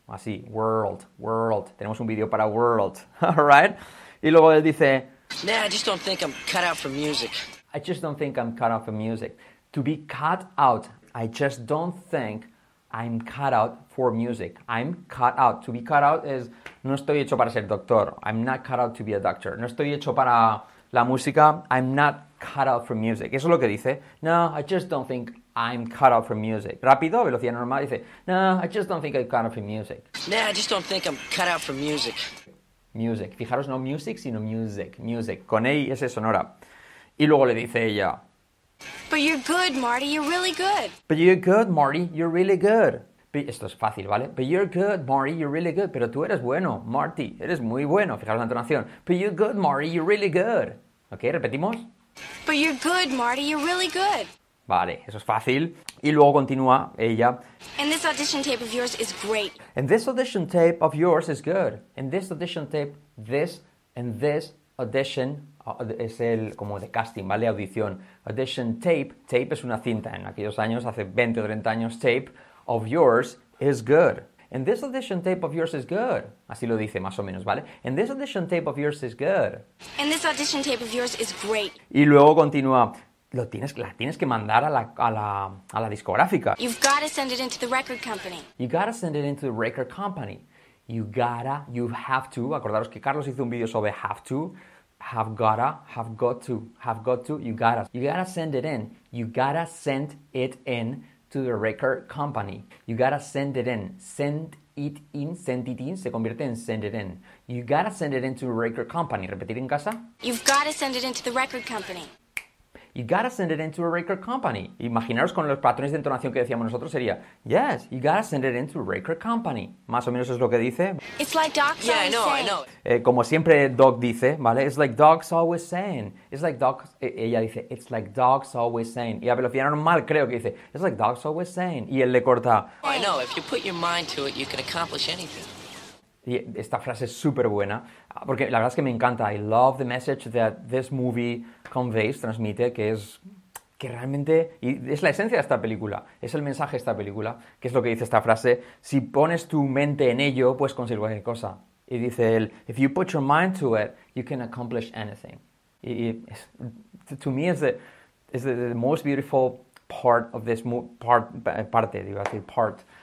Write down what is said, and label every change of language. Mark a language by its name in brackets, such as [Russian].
[Spanish] Así, world. Tenemos un video para world, all right? Y luego él dice, [English] Nah, I just don't think I'm cut out for music. I just don't think I'm cut out for music. To be cut out, I just don't think I'm cut out for music. I'm cut out. To be cut out is [Spanish] no estoy hecho para ser doctor. [English] I'm not cut out to be a doctor. [Spanish] No estoy hecho para la música. [English] I'm not cut out for music. [Spanish] Eso es lo que dice. [English] No, I just don't think I'm cut out for music. [Spanish] Rápido, velocidad normal, dice. [English] No, I just don't think I'm cut out for music. Nah, I just don't think I'm cut out for music. [Spanish] Music. Fijaros, no music, sino music. Music. Con E y S sonora. Y luego le dice ella, [English] But you're good, Marty. You're really good. But you're good, Marty. You're really good. [Spanish] Esto es fácil, ¿vale? [English] But you're good, Marty. You're really good. [Spanish] Pero tú eres bueno, Marty. Eres muy bueno. Fijaros la entonación. [English] But you're good, Marty. You're really good. ¿Ok? [Spanish] Repetimos. [English] But you're good, Marty. You're really good. [Spanish] Vale, eso es fácil. Y luego continúa ella. [English] And this audition tape of yours is great. And this audition tape of yours is good. And this audition tape, this and this audition [Spanish] es el como de casting, ¿vale? [English] Audición. Audition tape, tape [Spanish] es una cinta. En aquellos años, hace 20 o 30 años, [English] tape of yours is good. And this audition tape of yours is good. [Spanish] Así lo dice más o menos, ¿vale? [English] And this audition tape of yours is good. And this audition tape of yours is great. [Spanish] Y luego continúa. La tienes que mandar a la discográfica. [English] You've got to send it into the record company. You got to send it into the record company. You have to. [Spanish] Acordaros que Carlos hizo un vídeo sobre have to. [English] Have got to. You gotta send it in. You gotta send it in to the record company. You gotta send it in. Send it in [Spanish] se convierte en [English] send it in. You gotta send it into the record company. [Spanish] Repetir en casa. [English] You've got to send it into the record company. you gotta send it into a record company. [Spanish] Imaginaros con los patrones de entonación que decíamos nosotros sería, [English] yes, you gotta send it into a record company. [Spanish] Más o menos es lo que dice. [English] It's like Doc's always saying. [Spanish] Como siempre Doc dice, ¿vale? [English] It's like Doc's always saying. It's like Doc's, [Spanish] ella dice, [English] it's like Doc's always saying. [Spanish] Y a velocidad normal creo que dice, [English] it's like Doc's always saying. [Spanish] Y él le corta. [English] I know, if you put your mind to it, you can accomplish anything. [Spanish] Y esta frase es súper buena, porque la verdad es que me encanta. [English] I love the message that this movie conveys, [Spanish] transmite, que es que realmente, y es la esencia de esta película, es el mensaje de esta película, que es lo que dice esta frase. Si pones tu mente en ello, pues consigues cualquier cosa. Y dice él, [English] if you put your mind to it, you can accomplish anything. [Spanish] Y es, [English] to me is the most beautiful part of this part.